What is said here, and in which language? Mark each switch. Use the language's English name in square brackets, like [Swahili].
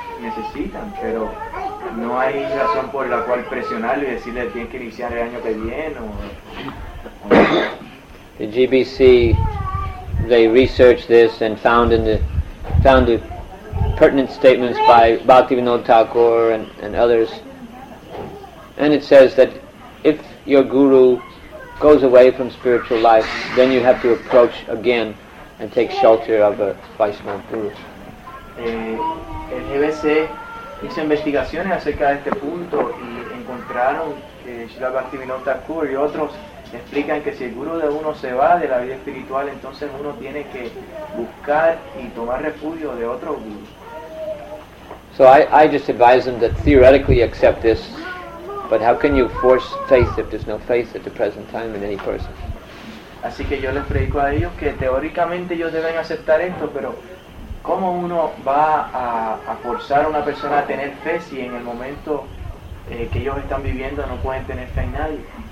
[Spanish] Necesitan, pero no hay razón por la cual presionarle y decirle que tiene que iniciar el año que viene o. [English] The GBC, they researched this and found it. Pertinent statements by Bhaktivinoda Thakur and others, and it says that if your guru goes away from spiritual life, then you have to approach again and take shelter of a Vaishnava guru. [Spanish] El GBC hizo investigaciones acerca de este punto y encontraron que Srila Bhaktivinoda Thakur y otros explican que si el guru de uno se va de la vida espiritual, entonces uno tiene que buscar y tomar refugio de otro guru. [English] So I just advise them that theoretically accept this, but how can you force faith if there's no faith at the present time in any person? [Spanish] Así que yo les predico a ellos que teóricamente ellos deben aceptar esto, pero ¿cómo uno va a forzar a una persona a tener fe si en el momento que ellos están viviendo no pueden tener fe en nadie?